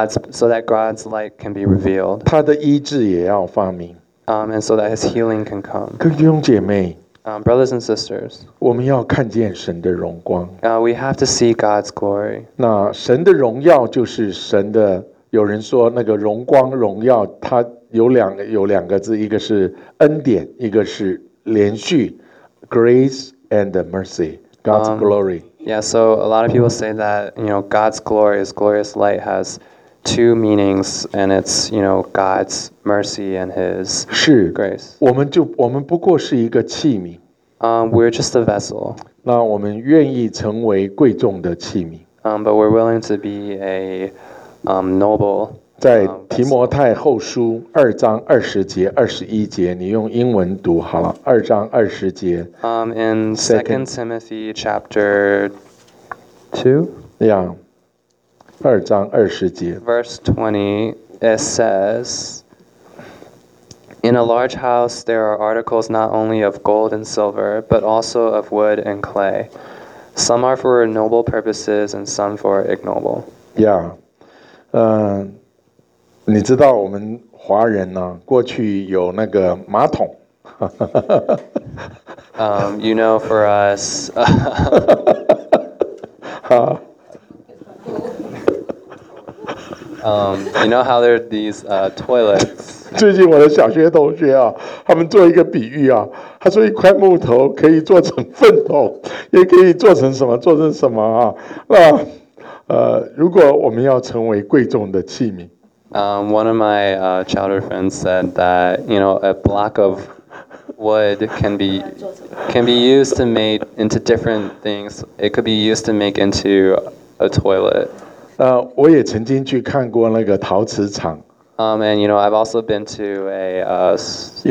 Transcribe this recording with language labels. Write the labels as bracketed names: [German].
[English] so that God's light can be revealed. [Chinese] 他的医治也要发明。 [English] And so that His healing can come. [Chinese] 弟兄姐妹。 [English] Brothers and sisters, [Chinese] 我们要看见神的荣光。 [English] We have to see God's glory. [Chinese] 那神的荣耀就是神的，有人说那个荣光荣耀，它有两个字，一个是恩典，一个是连续 ， [English] grace and mercy, God's glory. Yeah, so a lot of people say that you know God's glory, His glorious light has two meanings, and it's you know God's mercy and His grace. [Chinese] 是，我们不过是一个器皿。 [English] We're just a vessel. [Chinese] 那我们愿意成为贵重的器皿。 [English] But we're willing to be a noble. [Chinese] 在提摩太后书二章二十节、二十一节，你用英文读好了。二章二十节。 [English] In Second Timothy chapter two. [Chinese] Yeah. 二章二十节 [English] Verse 20, it says, In a large house there are articles not only of gold and silver, but also of wood and clay. Some are for noble purposes and some for ignoble. Yeah. [Chinese] 你知道我们华人呢，过去有那个马桶。 [English] you know, for us... [Chinese] 你 [English] know how there are these toilets? [Chinese] 最近我的小学同学啊，他们做一个比喻啊，他说一块木头可以做成粪桶，也可以做成什么？做成什么啊？那如果我们要成为贵重的器皿 [English] ，One of my childhood friends said that you know a block of wood can be used to make into different things. It could be used to make into a toilet. [Chinese] 我也曾经去看过那个陶瓷厂。 [English] And you know, I've also been to a